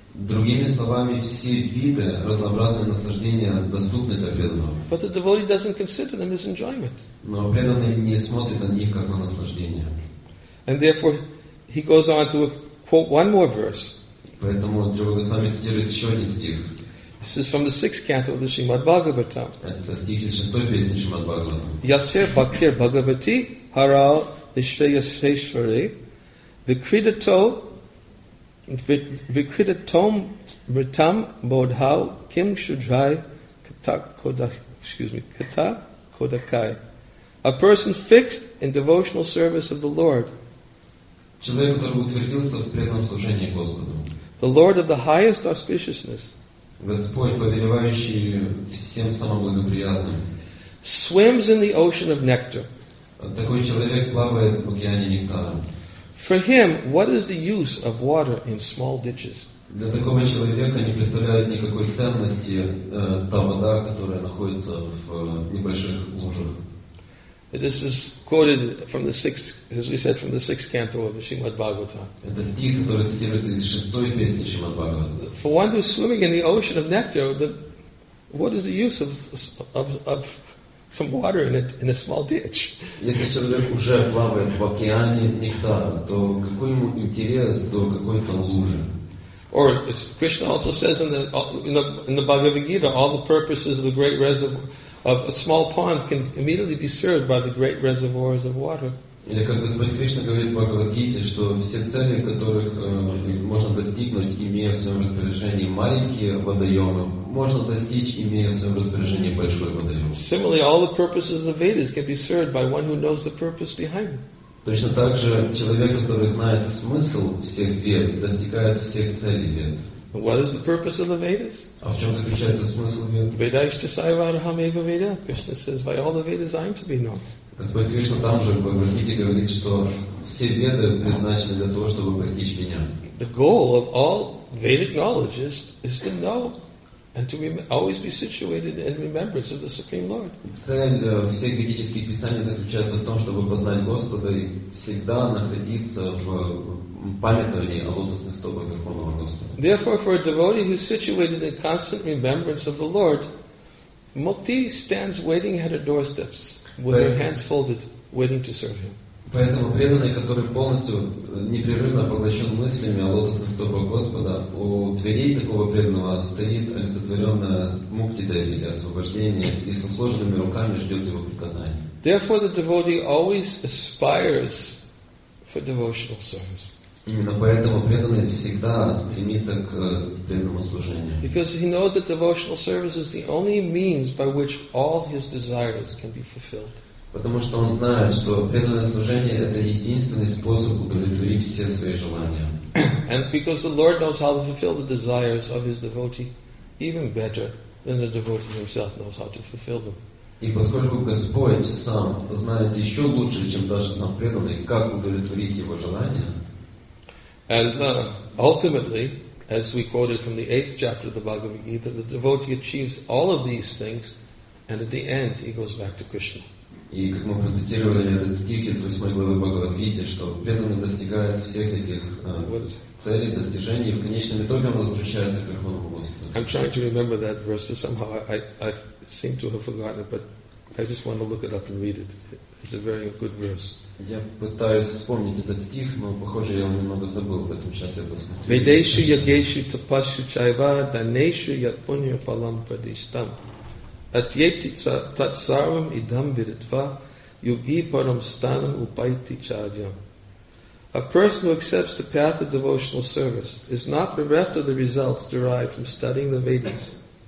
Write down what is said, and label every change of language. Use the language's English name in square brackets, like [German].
[Russian] Другими словами, все виды разнообразные наслаждения доступны для преданного. [English] But the devotee doesn't consider them as enjoyment. [Russian] Но преданный не смотрит на них как на наслаждение. [English] And therefore, he goes on to quote one more verse. [Russian] Поэтому Джива Госвами цитирует еще один стих. [English] This is from the sixth canto of the Srimad Bhagavatam. [Russian] Это стих из шестой песни Шримад Бхагаватам. [Sanskrit] Yasya bhaktir bhagavati harao nishreyasheshvare vikridato Vikritatom mritam bodhau kim shudrai kata kodakai. [English] A person fixed in devotional service of the Lord. [Russian] Человек, который утвердился в преданном служении Господу. [English] The Lord of the highest auspiciousness. [Russian] Господь, повелевающий всем самым благоприятным. [English] Swims in the ocean of nectar. [Russian] Такой человек плавает в океане нектара. [English] For him, what is the use of water in small ditches? [Russian] Для такого человека не представляет никакой ценности та вода, которая находится в небольших лужах. [English] This is quoted from the sixth, as we said, from the sixth canto of the Srimad Bhagavatam. [Russian] Это стих, который цитируется из шестой песни Шримад Бхагаватам. [English] For one who's swimming in the ocean of nectar, what is the use of some water in a small ditch. [Russian] Если человек уже плавает в океане нектара, то какой ему интерес до какой-то лужи? [English] Or as Krishna also says in the Bhagavad Gita, all the purposes of the great reservoir of small ponds can immediately be served by the great reservoirs of water. [Russian] Или как Господь Кришна говорит в Бхагавад Гите, что все цели, которых можно достигнуть, имея в своем распоряжении маленькие водоемы, можно достичь, имея в своем распоряжении большой водоем. [English] Similarly, all the purposes of Vedas can be served by one who knows the purpose behind them. [Russian] Точно так же человек, который знает смысл всех Вед, достигает всех целей Вед. [English] What is the purpose of the Vedas? [Russian] А в чем заключается смысл Вед? [Sanskrit] Vedaishcha saivaraham eva Veda. [English] Krishna says, by all the Vedas I am to be known. [Russian] Господь Кришна там же в Бхагавад Гите говорит, что все веды предназначены для того, чтобы постичь меня. [English] The goal of all Vedic knowledge is to know and to always be situated in remembrance of the Supreme Lord. [Russian] Цель всех ведических писаний заключается в том, чтобы познать Господа и всегда находиться в памятовании о лотосных стопах Верховного Господа. [English] Therefore, for a devotee who is situated in constant remembrance of the Lord, Mukti stands waiting at her doorsteps. With their hands folded, waiting to serve him. [Russian] Поэтому преданный, который полностью непрерывно поглощен мыслями о лотосных стопах Господа, у дверей такого преданного стоит олицетворенная мукти-деви, освобождение, и со сложными руками ждет его приказания. [English] Therefore, the devotee always aspires for devotional service. [Russian] Именно поэтому преданный всегда стремится к преданному служению. [English] Because he knows that devotional service is the only means by which all his desires can be fulfilled. [Russian] Потому что он знает, что преданное служение – это единственный способ удовлетворить все свои желания. [English] And because the Lord knows how to fulfill the desires of his devotee even better than the devotee himself knows how to fulfill them. [Russian] И поскольку Господь сам знает еще лучше, чем даже сам преданный, как удовлетворить его желания, [English] and ultimately, as we quoted from the eighth chapter of the Bhagavad Gita, the devotee achieves all of these things, and at the end, he goes back to Krishna. [Russian] И как мы процитировали этот стих из 8 главы Бхагавад-гиты, что преданный достигает всех этих целей, достижений, и в конечном итоге он возвращается к Верховному Господу. [English] I'm trying to remember that verse, but somehow I seem to have forgotten it, but I just want to look it up and read it. It's a very good verse. [Russian] Я пытаюсь вспомнить этот стих, но, похоже, я его немного забыл, поэтому сейчас я посмотрю. [Sanskrit] Ведешу ягешу тапашу чайва данешу япунью палам падиштам. Атьети татсарвам идам виритва юги парам станам упайти чадьям. [English] A person who accepts the path of devotional service is not bereft of the results derived from studying the Vedas.